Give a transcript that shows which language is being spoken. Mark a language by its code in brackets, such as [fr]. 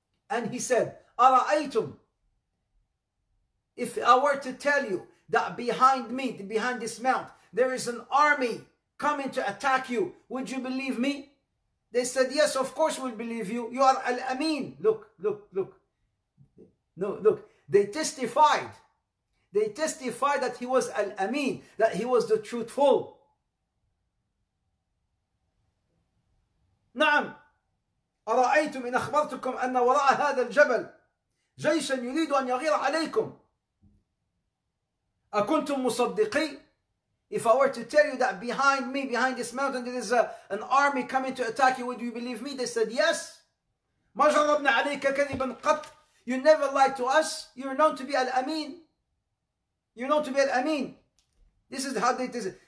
[en] And he said, Ara'aytum, if I were to tell you that behind me, behind this mount, there is an army coming to attack you, would you believe me? They said, yes, of course we'll believe you. You are Al-Amin. Look, look, look. No, look. They testified. They testified that he was Al-Amin, that he was the truthful. [ar] نعم أرأيتم إن أخبرتكم أن وراء هذا الجبل جيشا يريد أن يغير عليكم أكنتم مصدقي? [en] If I were to tell you that behind me, behind this mountain, there is an army coming to attack you, would you believe me? They said, yes. [ar] ما جربنا عليك كذبا قط. [en] You never lied to us. You're known to be Al-Amin. You're known to be Al-Amin. This is how they did it.